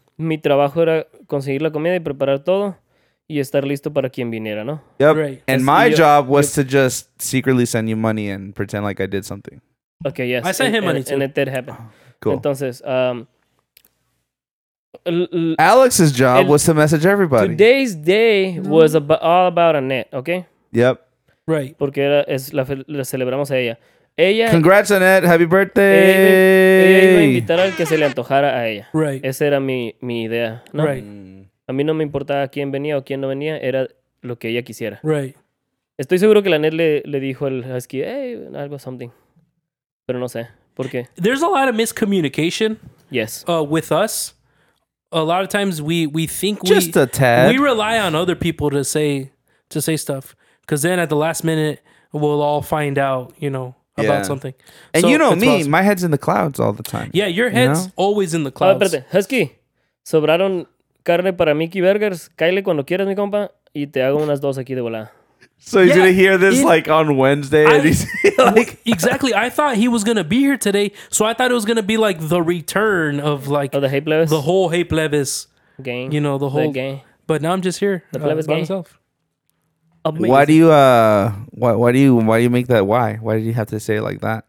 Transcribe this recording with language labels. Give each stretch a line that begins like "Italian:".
Spanish: Mi trabajo era conseguir la comida y preparar todo y estar listo para quien viniera, ¿no?
English: Yep. Right. And my job was to just secretly send you money and pretend like I did something. Okay, yes. I sent him money too. And it did happen. Cool.
Spanish: Entonces,
English: Alex's job was to message everybody. Today's day was all about Annette, okay? Yep. Right.
Spanish: Porque la celebramos a ella. Ella,
English: congrats, Annette. Happy birthday.
Spanish: Ella iba a invitar al que se le antojara a ella.
English: Right.
Spanish: Esa era mi idea. No,
English: right.
Spanish: A mí no me importaba quién venía o quién no venía. Era lo que ella quisiera.
English: Right.
Spanish: Estoy seguro que la Annette le dijo al Husky, hey, algo, something. Pero no sé. ¿Por qué?
English: There's a lot of miscommunication. Yes. With us, a lot of times we think just a tad. We rely on other people to say stuff, because then at the last minute we'll all find out, you know, about something. And so, you know me, awesome. My head's in the clouds all the time. Yeah, your head's always in the clouds.
Spanish: Espérate, Husky, sobraron carne para Mickey Burgers. Cáile cuando quieras, mi compa, y te hago unas dos aquí de volada.
English: So he's gonna hear this like on Wednesday. Exactly. I thought he was gonna be here today, so I thought it was gonna be like the return of like the Hape Levis, the whole Hape Levis gang. You know, the whole gang. But now I'm just here, the Levis by myself. Amazing. Why do you why do you make that? Why did you have to say it like that?